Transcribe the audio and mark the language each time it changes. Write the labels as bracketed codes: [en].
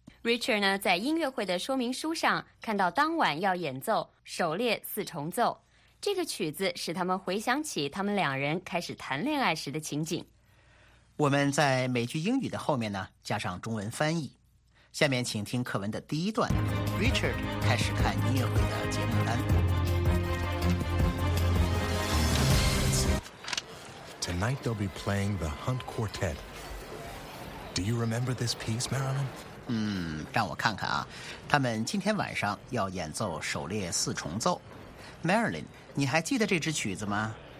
[zh] Richard 呢，在音乐会的说明书上看到当晚要演奏首列四重奏，这个曲子使他们回想起他们两人开始谈恋爱时的情景。我们在每句英语的后面呢，加上中文翻译。下面请听课文的第一段。Richard 开始看音乐会的节目单。 [en] Tonight they'll be playing the Hunt Quartet. Do you remember this piece, Marilyn? [zh] 让我看看啊，他们今天晚上要演奏首列四重奏。 Marilyn, 你还记得这支曲子吗？